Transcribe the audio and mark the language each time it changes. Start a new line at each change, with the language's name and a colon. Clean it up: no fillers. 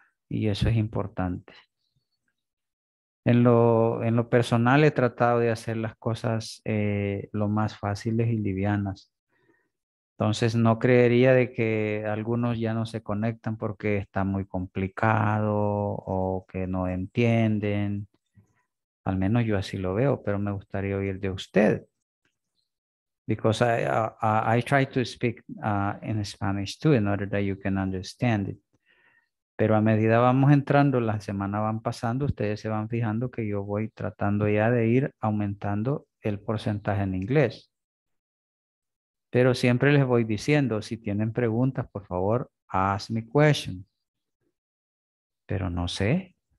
Spanish: Y eso es importante. En lo personal, he tratado de hacer las cosas lo más fáciles y livianas. Entonces, no creería de que algunos ya no se conectan porque está muy complicado o que no entienden. Al menos yo así lo veo, pero me gustaría oír de usted.
English: Because I try to speak in Spanish too in order that you can understand it.
Spanish: Pero a medida vamos entrando, las semanas van pasando, ustedes se van fijando que yo voy tratando ya de ir aumentando el porcentaje en inglés. Pero siempre les voy diciendo, si tienen preguntas, por favor,
English: ask me questions.
Spanish: Pero no sé.